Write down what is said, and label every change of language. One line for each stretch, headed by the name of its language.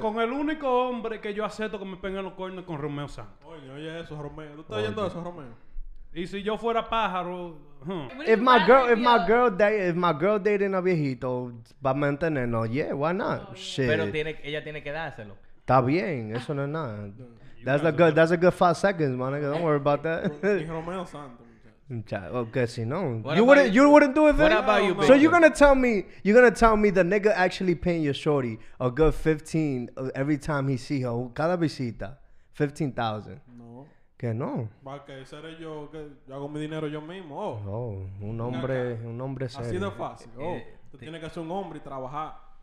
Spanish: Con el único hombre que yo acepto que me peguen los cuernos con Romeo Santos. Oye, eso, Romeo. ¿Tú estás oyendo eso, Romeo? Y si yo fuera pájaro...
English: If my girl dating a viejito
Spanish: va a mantenernos,
English: yeah, why not? Oh, yeah. Shit.
Spanish: Pero ella tiene que dárselo. Está bien, eso no es nada.
English: That's a good 5 seconds, man. Don't worry about that. Romeo Santos. Okay, see, no. You wouldn't do it. What about you, baby? So you're gonna tell me the nigga actually paying your shorty a good 15 every time he see her,
Spanish: cada visita,
English: 15,000. No.
Spanish: Que no. Va que seré yo, que yo hago mi dinero yo mismo. Oh, un hombre serio. Así de fácil. Oh, tú tienes que ser un hombre y trabajar.